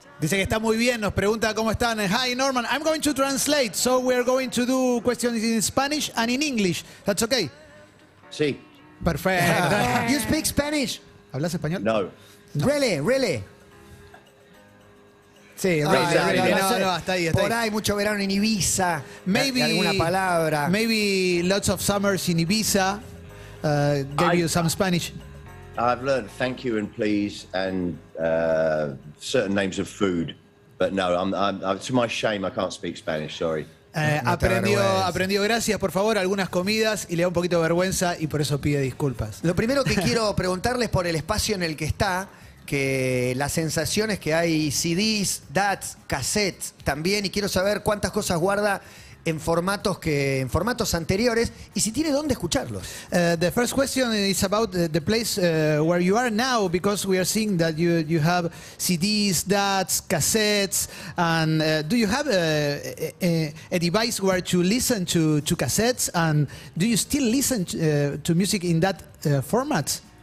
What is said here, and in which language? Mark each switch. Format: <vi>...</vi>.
<es>Dice que está muy bien, nos pregunta cómo están.</es> <en>Hi Norman, I'm going to translate, so we are going to do questions in Spanish and in English. That's okay?</en> <es>Sí. Perfecto.</es> <en>You speak Spanish?</en> <es>¿Hablas español? No.</es> <en>Really, really?</en> <es>Sí, no, hasta ahí, hasta por ahí. Por ahí, mucho verano en Ibiza,</es> <en>maybe,</en> <es>alguna palabra.</es> <en>Maybe lots of summers in Ibiza. Gave you some Spanish. I've learned thank you and please and certain names of food, but no, I'm to my shame, I can't speak Spanish. Sorry.</en> <es>Aprendió gracias, por favor, algunas comidas y le da un poquito de vergüenza y por eso pide disculpas. Lo primero que quiero preguntarles por el espacio en el que está, que las sensaciones que hay CDs, DATs, cassettes también, y quiero saber cuántas cosas guarda en formatos anteriores y si tiene dónde escucharlos.</es> <en>The first question is about the place where you are now, because we are seeing that you have CDs, DATs, cassettes, and do you have a device where to listen to cassettes, and do you still listen to music in that format?</en>